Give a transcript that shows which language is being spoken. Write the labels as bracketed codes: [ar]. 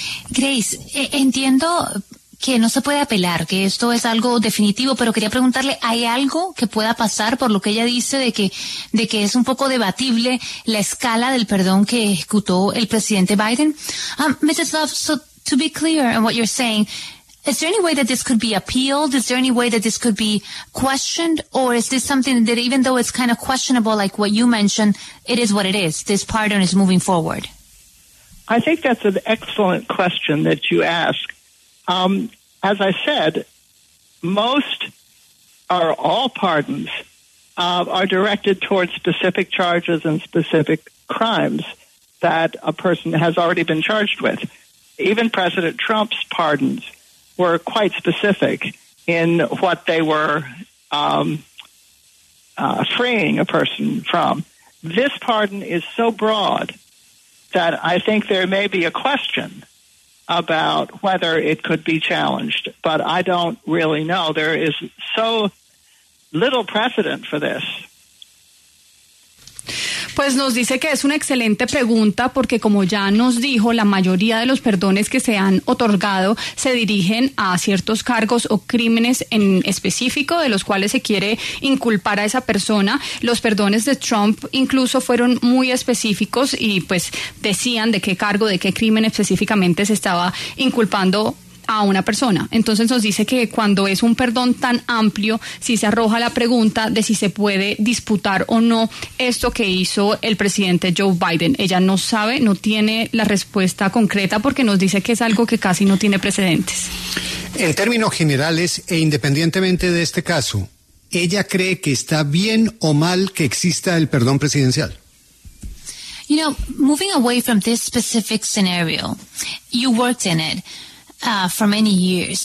[es] Grace, entiendo que no se puede apelar, que esto es algo definitivo, pero quería preguntarle, ¿hay algo que pueda pasar por lo que ella dice de que es un poco debatible la escala del perdón que ejecutó el presidente Biden? [en] Mrs. Love, so to be clear on what you're saying, is there any way that this could be appealed? Is there any way that this could be questioned? Or is this something that, even though it's kind of questionable, like what you mentioned, it is what it is, this pardon is moving forward? I think that's an excellent question that you ask. As I said, most or all pardons are directed towards specific charges and specific crimes that a person has already been charged with. Even President Trump's pardons were quite specific in what they were freeing a person from. This pardon is so broad that I think there may be a question about whether it could be challenged, but I don't really know. There is so little precedent for this. [es] Pues nos dice que es una excelente pregunta, porque como ya nos dijo, la mayoría de los perdones que se han otorgado se dirigen a ciertos cargos o crímenes en específico de los cuales se quiere inculpar a esa persona. Los perdones de Trump incluso fueron muy específicos y pues decían de qué cargo, de qué crimen específicamente se estaba inculpando a una persona. Entonces nos dice que cuando es un perdón tan amplio, sí se arroja la pregunta de si se puede disputar o no esto que hizo el presidente Joe Biden. Ella no sabe, no tiene la respuesta concreta, porque nos dice que es algo que casi no tiene precedentes. En términos generales, e independientemente de este caso, ¿ella cree que está bien o mal que exista el perdón presidencial? [en] You know, moving away from this specific scenario, you worked in it. for many years.